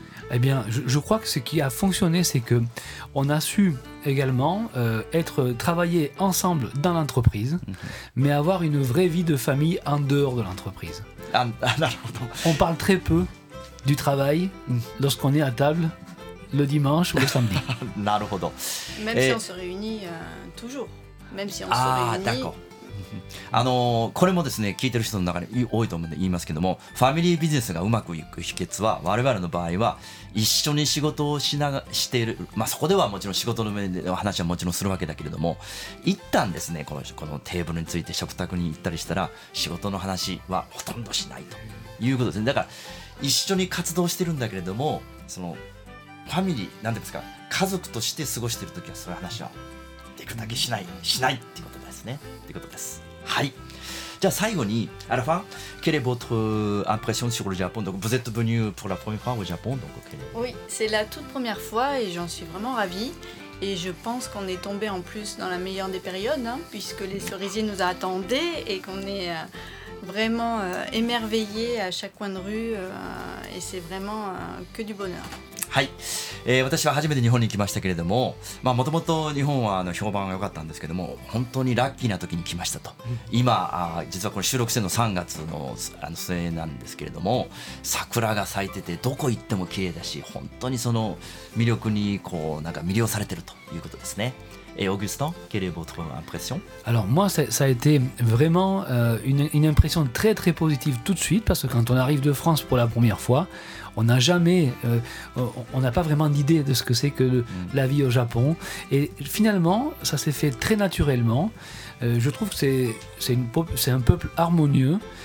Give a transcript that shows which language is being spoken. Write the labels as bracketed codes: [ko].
[fr] Eh bien, je crois que ce qui a fonctionné, c'est qu'on a su également travailler ensemble dans l'entreprise, mais avoir une vraie vie de famille en dehors de l'entreprise. On parle très peu du travail lorsqu'on est à table le dimanche ou le samedi. [ja] なるほど. [fr] Même si on se réunit toujours. Même si on se d'accord. [ja] これもですね、聞いてる人の中に多いと思うんで言いますけども、ファミリービジネスがうまくいく秘訣は、我々の場合は一緒に仕事をしている、まあ、そこではもちろん仕事の面での話はもちろんするわけだけれども、一旦ですね、このテーブルについて食卓に行ったりしたら、仕事の話はほとんどしないということですね。だから一緒に活動してるんだけれども、そのファミリー、なんていうんですか、家族として過ごしているときはそういう話は。できるだけしないっていうことですね。ってことです。はい。じゃあ最後に、 [fr] あらファン、quelle est votre impression sur le Japon? Donc, vous êtes venu pour la première fois au Japon, donc quelle est... Oui, c'est la toute première fois et j'en suis vraiment ravie. Et je pense qu'on est tombé en plus dans la meilleure des périodes, hein, puisque les cerisiers nous attendaient et qu'on est vraiment émerveillés à chaque coin de rue. Et c'est vraiment que du bonheur. [ja] はい、私は初めて日本に来ましたけれども、もともと日本は評判が良かったんですけども、本当にラッキーな時に来ましたと、うん、今実はこれ収録してるの3月の末なんですけれども、桜が咲いててどこ行っても綺麗だし、本当にその魅力にこうなんか魅了されてるということですね。 [fr] Augustin, quelle est votre impression? Alors moi, ça a été vraiment une impression très très positive tout de suite, parce que quand on arrive de France pour la première fois, on n'a jamais, on n'a pas vraiment d'idée de ce que c'est que la vie au Japon. Et finalement, ça s'est fait très naturellement. Je trouve que c'est un peuple harmonieux.